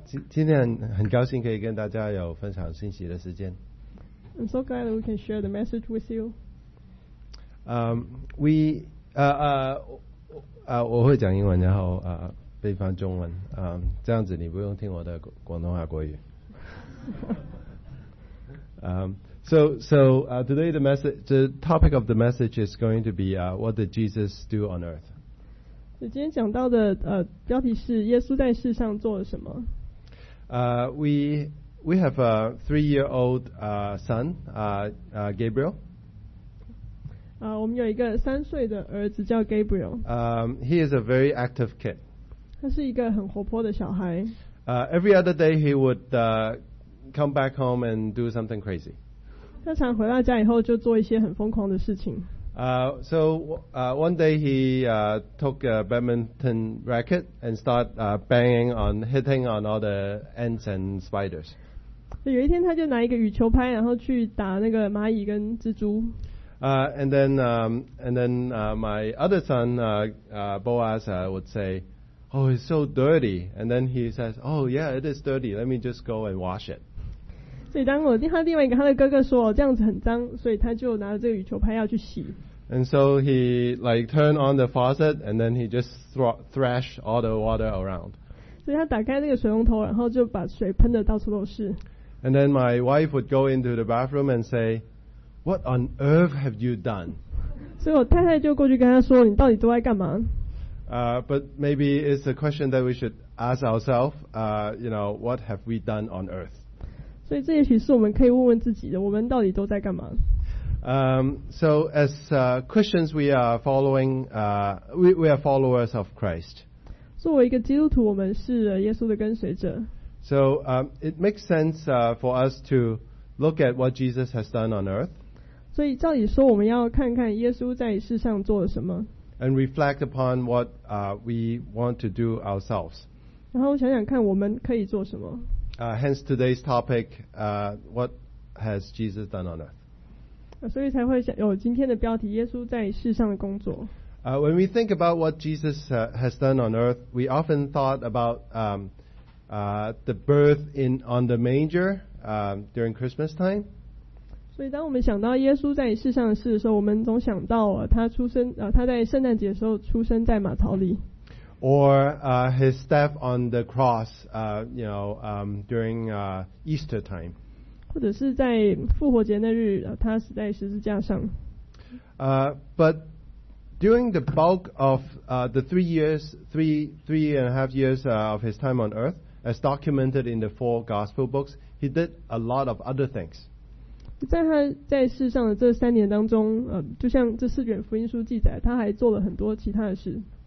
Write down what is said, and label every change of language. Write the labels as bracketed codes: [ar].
[zh] 今天很高兴可以跟大家有分享信息的时间。 [en] I'm so glad we can share the message with you. We [zh] 我会讲英文，然后对方中文。这样子你不用听我的广东话国语。 [en] So today the message, the topic of the message is going to be what did Jesus do on earth? [zh] 今天讲到的标题是耶稣在世上做了什么。 [en] We have a three-year-old son, Gabriel. [zh] 我们有一个三岁的儿子叫 Gabriel. [en] He is a very active kid. [zh] 他是一个很活泼的小孩。 [en] Every other day he would come back home and do something crazy. [zh] 他常回到家以后就做一些很疯狂的事情。 [en] One day he took a badminton racket and started hitting on all the ants and spiders. [zh] 有一天他就拿一个羽球拍，然后去打那个蚂蚁跟蜘蛛。 [en] And then my other son, Boaz, would say, "Oh, it's so dirty." And then he says, "Oh, yeah, it is dirty. Let me just go and wash it." [zh] 所以当我他另外一个他的哥哥说这样子很脏，所以他就拿了这个羽球拍要去洗。 [en] And so he like turned on the faucet, and then he just thrash all the water around. [zh] 所以他打开那个水龙头，然后就把水喷的到处都是。 [en] And then my wife would go into the bathroom and say, "What on earth have you done?" [zh] 所以我太太就过去跟他说，你到底都在干嘛？ [en] But maybe it's a question that we should ask ourselves. What have we done on earth? [zh] 所以这也许是我们可以问问自己的，我们到底都在干嘛？ [en] So as Christians, we are following. We are followers of Christ. [zh] 作为一个基督徒，我们是耶稣的跟随者。 [en] So it makes sense for us to look at what Jesus has done on earth. [zh] 所以照理说，我们要看看耶稣在世上做了什么。 [en] And reflect upon what we want to do ourselves. [zh] 然后想想看，我们可以做什么。 [en] Hence today's topic, what has Jesus done on earth? [zh] 所以才会有今天的标题，耶稣在世上的工作。 [en] When we think about what Jesus has done on earth, we often thought about the birth on the manger during Christmas time. [zh] 所以当我们想到耶稣在世上的事的时候，我们总想到他出生，他在圣诞节的时候出生在马槽里。 [en] Or his death on the cross, during Easter time. [zh] 或者是在复活节那日，他死在十字架上。 [en] But during the bulk of three and a half years of his time on earth. As documented in the four gospel books, he did a lot of other things. [zh] 在他在世上的这三年当中，就像这四卷福音书记载，他还做了很多其他的事。